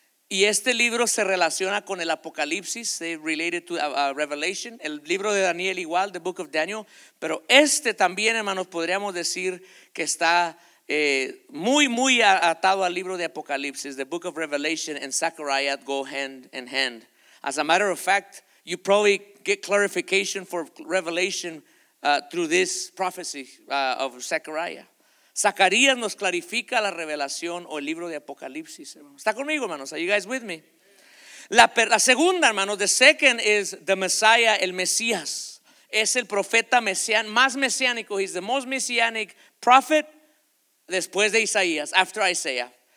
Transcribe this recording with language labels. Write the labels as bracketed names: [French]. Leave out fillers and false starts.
[Spanish] Y este libro se relaciona con el Apocalipsis, [English] related to Revelation, [Spanish] el libro de Daniel igual, [English] the Book of Daniel, [Spanish] pero este también, hermanos, podríamos decir que está muy, muy atado al libro de Apocalipsis, [English] the Book of Revelation and Zechariah go hand in hand. As a matter of fact, you probably get clarification for Revelation through this prophecy of Zechariah. [Spanish] Zacarías nos clarifica la revelación o el libro de Apocalipsis. ¿Está conmigo, hermanos? [English] Are you guys with me? [Spanish] La segunda, hermanos, [English] the second is the Messiah, [Spanish] el Mesías. Es el profeta más mesiánico. [English] He's the most messianic prophet [Spanish] después de Isaías, [English] after Isaiah.